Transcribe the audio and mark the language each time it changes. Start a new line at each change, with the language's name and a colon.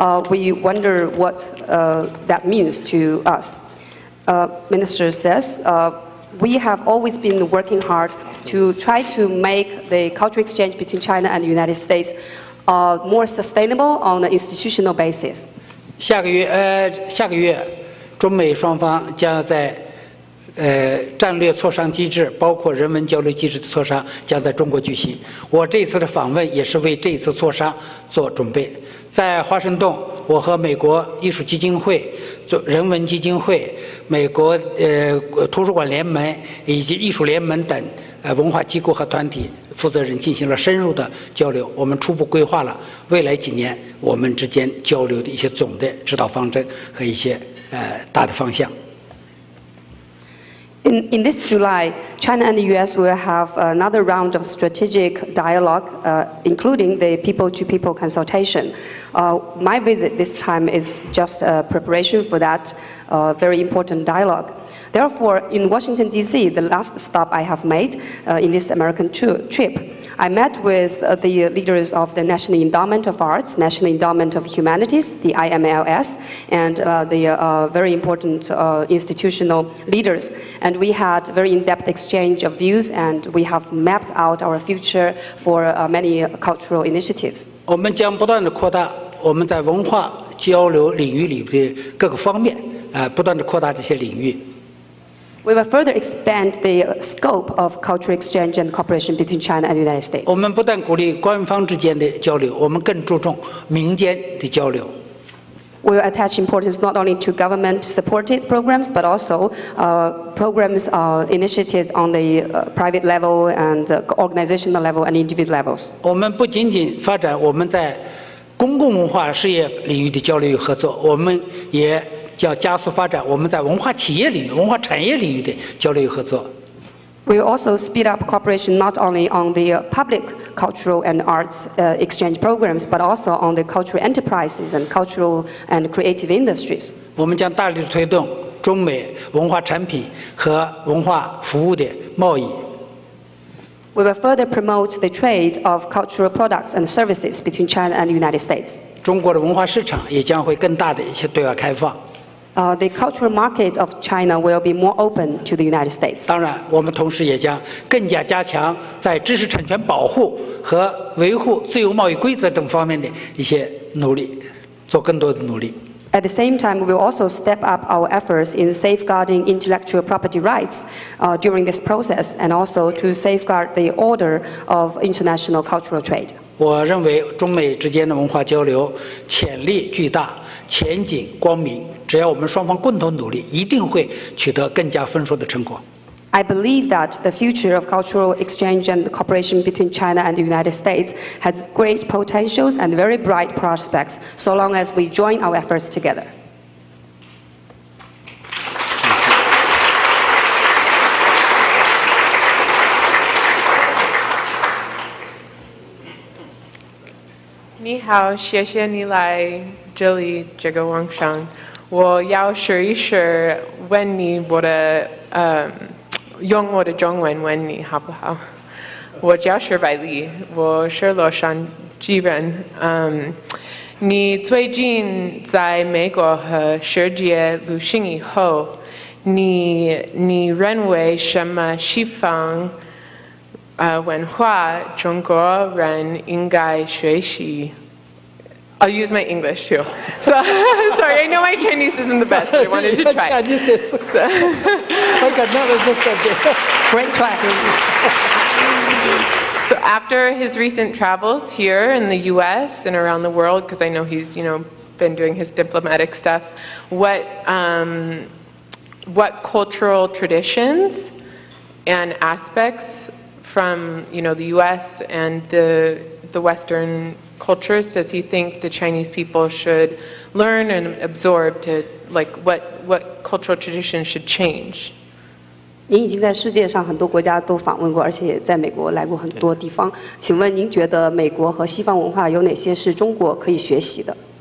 English: We wonder what that means to us. Minister says, we have always been working hard to try to make the cultural exchange between China and the United States more sustainable on an institutional basis.
Chinese: 下个月中美双方将在战略磋商机制包括人文交流机制的磋商将在中国举行。我这次的访问也是为这次磋商做准备。在华盛顿，我和美国艺术基金会、人文基金会、美国图书馆联盟以及艺术联盟等文化机构和团体负责人进行了深入的交流。我们初步规划了未来几年我们之间交流的一些总的指导方针和一些大的方向。
English: In this July, China and the U.S. will have another round of strategic dialogue, including the people-to-people consultation. My visit this time is just a preparation for that very important dialogue. Therefore, in Washington, D.C., the last stop I have made in this American trip, I met with the leaders of the National Endowment of Arts, National Endowment of Humanities, the IMLS, and the very important institutional leaders. And we had very in-depth exchange of views, and we have mapped out our future for many cultural initiatives.
Chinese: 我们将不断地扩大我们在文化交流领域里的各个方面，不断地扩大这些领域。
English: We will further expand the scope of cultural exchange and cooperation between China and the United States.
Chinese: 我们不但鼓励官方之间的交流，我们更注重民间的交流。
English: We will attach importance not only to government-supported programs, but also programs initiated on the private level and organizational level and individual levels.
Chinese: 我们不仅仅发展我们在公共文化事业领域的交流与合作，我们也要加速发展我们在文化企业领域、文化产业领域的交流与合作。
English: We also speed up cooperation not only on the public cultural and arts exchange programs, but also on the cultural enterprises and cultural and creative industries.
Chinese: 我们将大力推动中美文化产品和文化服务的贸易。
English: We will further promote the trade of cultural products and services between China and the United States.
Chinese: 中国的文化市场也将会更大的一些对外开放。
English: The cultural market of China will be more open to the United States.
Chinese: 当然，我们同时也将更加加强在知识产权保护和维护自由贸易规则等方面的一些努力，做更多的努力。
English: At the same time, we will also step up our efforts in safeguarding intellectual property rights during this process, and also to safeguard the order of international cultural trade.
Chinese: 我认为中美之间的文化交流潜力巨大，前景光明。只要我们双方共同努力，一定会取得更加丰硕的成果。
English: I believe that the future of cultural exchange and cooperation between China and the United States has great potentials and very bright prospects, so long as we join our efforts together.
Chinese: 你好，谢谢你来这里，这个网上。我要试一试问你我的用我的中文问你好不好？我叫施百丽，我是洛杉矶人。你最近在美国和世界旅行以后，你认为什么西方文化中国人应该学习？
English: I'll use my English too. So, sorry, I know my Chinese isn't the best, but I wanted to try. Chinese is so good. Oh, God, that was so good. Great try. So after his recent travels here in the U.S. and around the world, because I know he's, you know, been doing his diplomatic stuff, what cultural traditions and aspects from, you know, the U.S. and the Western cultures does he think the Chinese people should learn and absorb to, like, what cultural traditions should change?
Chinese: 您已经在世界上很多国家都访问过，而且也在美国来过很多地方。请问您觉得美国和西方文化有哪些是中国可以学习的？